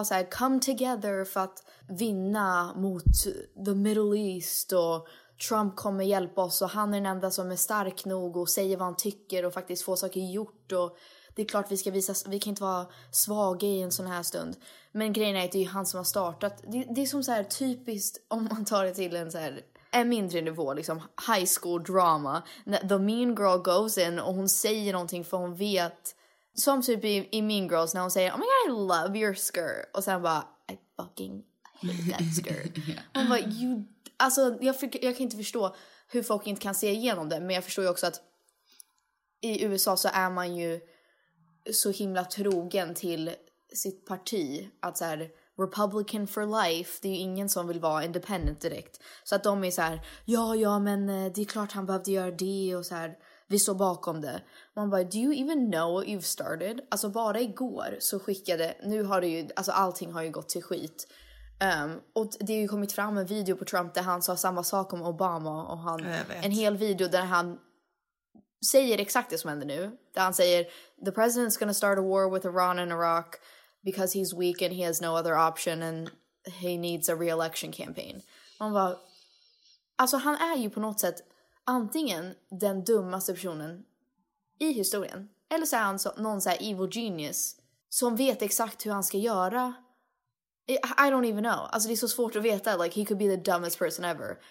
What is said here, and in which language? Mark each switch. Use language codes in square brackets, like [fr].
[sv] Och så här, [en] come together [sv] för att vinna mot the Middle East, och Trump kommer hjälpa oss, och han är den enda som är stark nog och säger vad han tycker och faktiskt får saker gjort, och det är klart vi ska visa, vi kan inte vara svaga i en sån här stund. Men grejen är att det är han som har startat, det är som så här typiskt, om man tar det till en så här en mindre nivå, liksom [en] high school drama, the mean girl goes in [sv] och hon säger någonting för hon vet. Som typ i Mean Girls när hon säger, [en] oh my god, I love your skirt. [sv] Och sen bara, [en] I fucking hate that skirt. [sv] Hon bara, alltså jag kan inte förstå hur folk inte kan se igenom det. Men jag förstår ju också att i USA så är man ju så himla trogen till sitt parti. Att så här, [en] Republican for life, [sv] det är ju ingen som vill vara independent direkt. Så att de är så här, ja men det är klart han behövde göra det och så här. Vi står bakom det. Man bara, [en] do you even know what you've started? [sv] Alltså bara igår så skickade... Nu har det ju... Alltså allting har ju gått till skit. Och det har ju kommit fram en video på Trump där han sa samma sak om Obama. Och han, en hel video där han säger exakt det som händer nu. Där han säger, [en] the president's gonna start a war with Iran and Iraq because he's weak and he has no other option and he needs a re-election campaign. [sv] Man bara... Alltså han är ju på något sätt... antingen den dummaste personen i historien, eller så är han någon så här [en] evil genius [sv] som vet exakt hur han ska göra. [en] I don't even know. [sv] Alltså det är så svårt att veta, [en] like he could be the dumbest person ever.